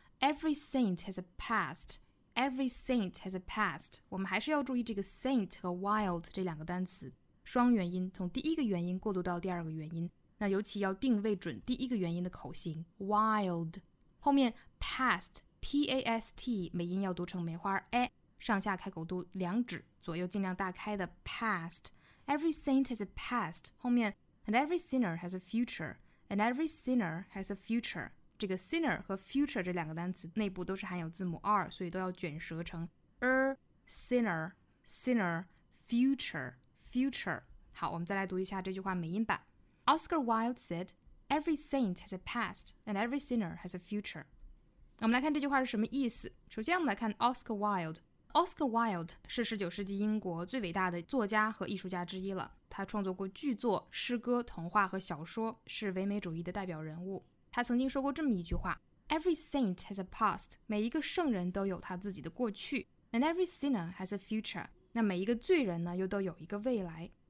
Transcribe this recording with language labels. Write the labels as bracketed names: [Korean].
[English] every saint has a past， every saint has a past。 [Chinese] 我们还是要注意这个 saint 和 wild 这两个单词双元音，从第一个元音过渡到第二个元音，那尤其要定位准第一个元音的口型 wild， 后面 pastP-A-S-T 美音要读成梅花 A， 上下开口度两指左右尽量大开的 past。 [English] Every saint has a past [Chinese] 后面 [English] And every sinner has a future， And every sinner has a future， [Chinese] 这个 sinner 和 future 这两个单词内部都是含有字母 r， 所以都要卷舌成 sinner sinner future future。好，我们再来读一下这句话美音版。 [English] Oscar Wilde said every saint has a past and every sinner has a future。 [Chinese] 我们来看这句话是什么意思。首先我们来看 Oscar WildeOscar Wilde 是19世纪英国最伟大的作家和艺术家之一了，他创作过剧作、诗歌、童话和小说，是唯美主义的代表人物。他曾经说过这么一句话， [English] Every saint has a past， [Chinese] 每一个圣人都有他自己的过去， [English] And every sinner has a future， [Chinese] 那每一个罪人呢，又都有一个未来。